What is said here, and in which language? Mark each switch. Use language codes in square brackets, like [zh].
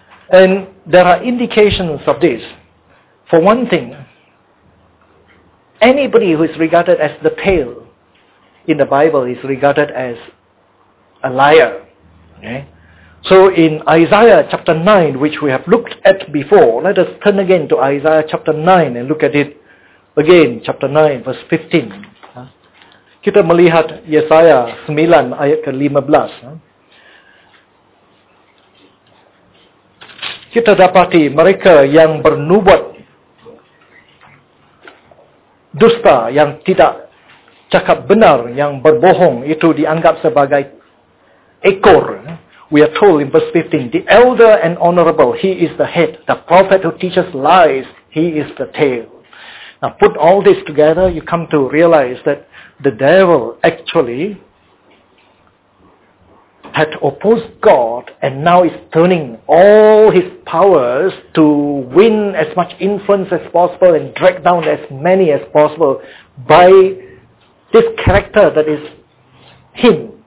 [en] And there are indications of this. For one thing, anybody who is regarded as the tail in the Bible is regarded as a liar. Okay? So in Isaiah chapter 9, which we have looked at before, let us turn again to Isaiah chapter 9 and look at it again, chapter 9, verse 15. [id] Kita melihat Yesaya 9 ayat ke-15. Kita dapati mereka yang bernubuat dusta, yang tidak cakap benar, yang berbohong, itu dianggap sebagai ekor. [en] We are told in verse 15, the elder and honorable, he is the head. The prophet who teaches lies, he is the tail. Now put all this together, you come to realize that the devil actually had opposed God, and now is turning all his powers to win as much influence as possible and drag down as many as possible by this character that is him.